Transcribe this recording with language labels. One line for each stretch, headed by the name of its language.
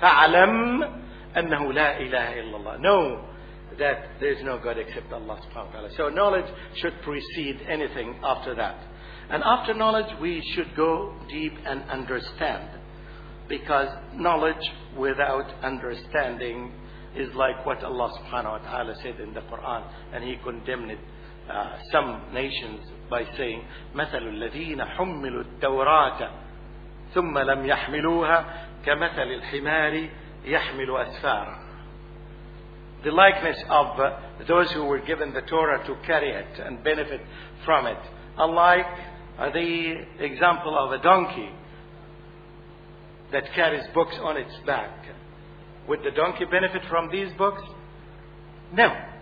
Arabic: فَعَلَمْ أَنَّهُ لَا إِلَهَ إِلَّا اللَّهِ.
English: Know that there is no God except Allah subhanahu wa ta'ala. So knowledge should precede anything after that. And after knowledge, we should go deep and understand. Because knowledge without understanding is like what Allah subhanahu wa ta'ala said in the Quran. And He condemned it, some nations by saying,
Arabic: مَثَلُ الَّذِينَ حُمِّلُوا التَّوْرَاةَ ثُمَّ لَمْ يَحْمِلُوهَا كَمَثَلِ الْحِمَارِ يَحْمِلُوا أَسْفَارًا.
English: The likeness of those who were given the Torah to carry it and benefit from it. Alike the example of a donkey that carries books on its back. Would the donkey benefit from these books? No.